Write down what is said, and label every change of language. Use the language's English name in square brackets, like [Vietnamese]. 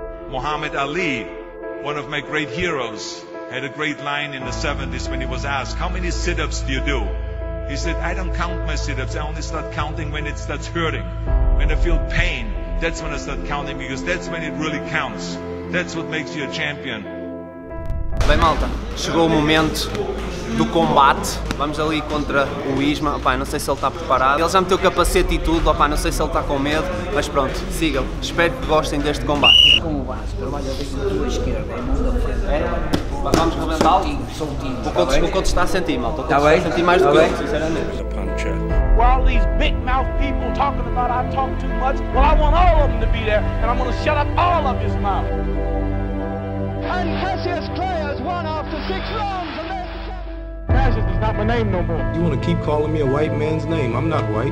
[English] Muhammad Ali, one of my great heroes, had a great line in the 70s when he was asked, how many sit-ups do you do? He said, I don't count my sit-ups, I only start counting when it starts hurting. When I feel pain, That's when I start counting, because that's when it really counts. That's what makes you a champion. [Portuguese] Bem, malta, chegou o momento do combate. Vamos ali contra o Isma. Opa, não sei se ele está preparado. Ele já meteu o capacete e tudo. Opa, não sei se ele está com medo. Mas pronto, sigam. Espero que gostem deste combate. Como base, trabalha bem com a esquerda, é muda. Vamos com o mental e sou o time. O Couto está a sentir, malta. Está bem? Senti mais do que ele, sinceramente. [English] While these big mouth people talking about I talk too much, well, I want all of them to be there, and I'm going to shut up all of his mouth. And Cassius Clay has won after six rounds. Cassius is not my name no more. You want to keep calling me a white man's name? I'm not white.